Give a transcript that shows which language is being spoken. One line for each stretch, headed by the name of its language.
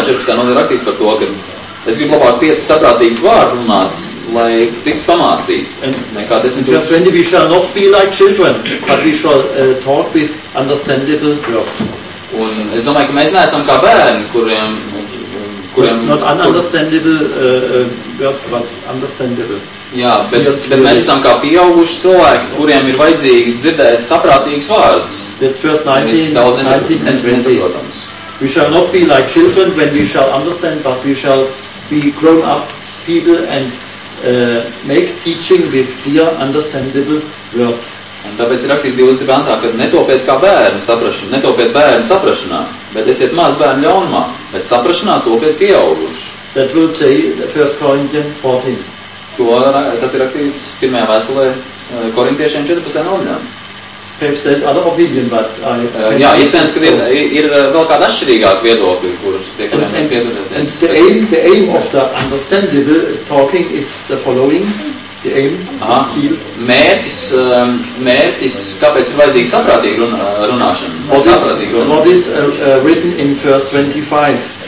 Latvian: nodaļā rakstīts par to, ka es gribu labāk 5 saprātīgus vārdus runāt, lai cits pamācītu. Nekā 10.
English: Verse 20 we shall not be like children, but we shall talk with understandable words.
Latvian: Un es domāju, ka mēs neesam kā bērni, kuriem
English: not understandable words, but understandable.
Latvian: Jā, bet mēs esam kā pieauguši cilvēki, kuriem ir vajadzīgs dzirdēt saprātīgus vārdus.
English: That's first 19 and 20. We shall not be like children when we shall understand, but we shall be grown up people and make teaching with clear, understandable words.
Latvian: Un tāpēc ir rakstīts 22. Kad netopiet kā bērni saprašanā, netopiet bērni saprašanā, bet esiet maz bērni ļaunumā, bet saprašanā topiet pieauguši.
English: That will say the 1 Corinthians 14.
Latvian: To, tas ir rakstīts 1. Vēstulē Korintiešiem 14. Nodaļā.
English: Perhaps there's other opinion, but
Latvian: jā, iespējams, ka ir vēl kāda atšķirīgāka viedokļa, kuriem mēs piedalāties.
English: The aim of the understandable talking is the following.
Latvian: Mērķis, kāpēc ir vajadzīga saprātīga runāšana?
English: What is written in verse 25?